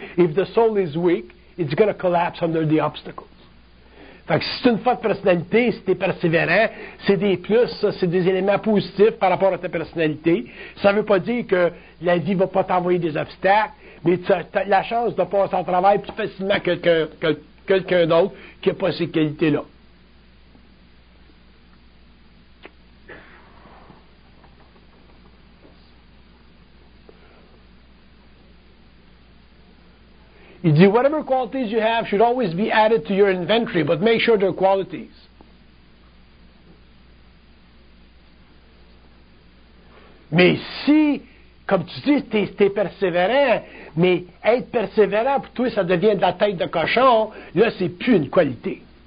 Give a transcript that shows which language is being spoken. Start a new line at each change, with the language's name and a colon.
English: If the soul is weak, it's going to collapse under the obstacles.
French: Fait que si c'est une forte personnalité, si t'es persévérant, c'est des plus, ça, c'est des éléments positifs par rapport à ta personnalité. Ça veut pas dire que la vie va pas t'envoyer des obstacles, mais t'as la chance de passer au travail plus facilement que quelqu'un d'autre qui a pas ces qualités-là.
English: He said, whatever qualities you have should always be added to your inventory, but make sure they're qualities.
French: Mais si, comme tu dis, t'es persévérant, mais être persévérant, pour toi, ça devient de la tête de cochon, là, c'est plus une qualité.